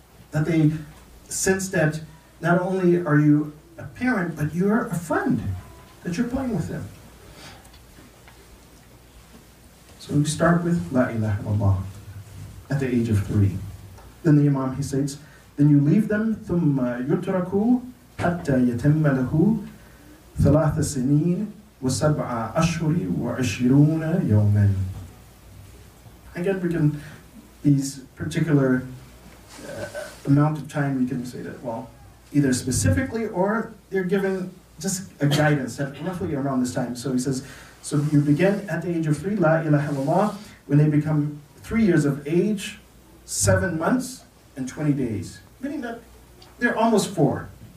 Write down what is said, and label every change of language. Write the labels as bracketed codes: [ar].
[en] That they sense that not only are you a parent, but you're a friend, that you're playing with them. So we start with La ilaha illallah at the age of 3. Then the Imam, he states, then you leave them, [ar] ثم يتركوا حتى يتم له ثلاث سنين وسبع أشهر وعشرون يوما. [en] Again, we can, these particular amount of time, we can say that, well, either specifically or they're given just a guidance that roughly around this time. So he says, so you begin at the age of 3, La ilaha illallah, when they become 3 years of age, 7 months and 20 days, meaning that they're almost 4.